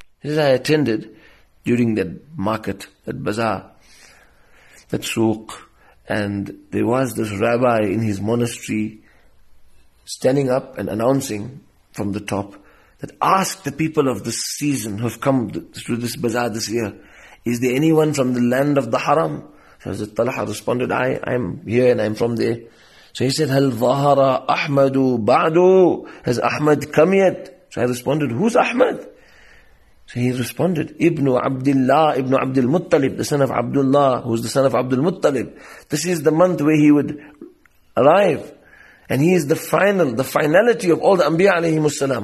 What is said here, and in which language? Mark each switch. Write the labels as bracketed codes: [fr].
[en] He says, I attended during that market, that bazaar, that souq, and there was this rabbi in his monastery standing up and announcing from the top that ask the people of this season who have come through this bazaar this year, is there anyone from the land of the haram? So Hazrat Talha responded, I'm here and I'm from there. So he said, [ar] هَلْ ظَهَرَ أَحْمَدُ بَعْدُ. [en] Has Ahmad come yet? So I responded, who's Ahmad? So he responded, Ibn Abdullah, Ibn Abdul Muttalib, the son of Abdullah, who's the son of Abdul Muttalib. This is the month where he would arrive. And he is the finality of all the Anbiya alayhimu salam.